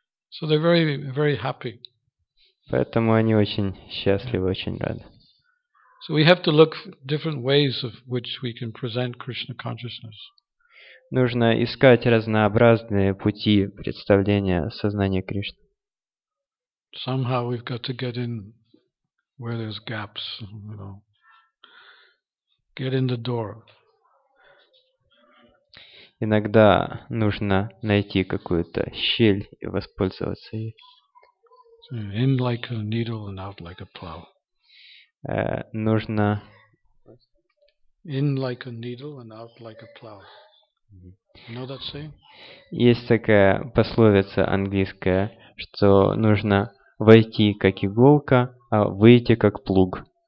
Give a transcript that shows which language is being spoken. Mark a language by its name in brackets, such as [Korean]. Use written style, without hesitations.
[English] So they're very, very happy. [Russian] Поэтому они очень счастливы, очень рады. [English] So we have to look different ways of which we can present Krishna consciousness. [Russian] Нужно искать разнообразные пути представления сознания Кришны. [English] Somehow we've got to get in where there's gaps, you know. Get in the door. [Russian] иногда нужно найти какую-то щель и воспользоваться ей. [English] In like a needle and out like a plow. [Russian] Нужно. [English] In like a needle and out like a plow. You know that saying? [Russian] Есть такая пословица английская, что нужно войти как иголка, а выйти как плуг.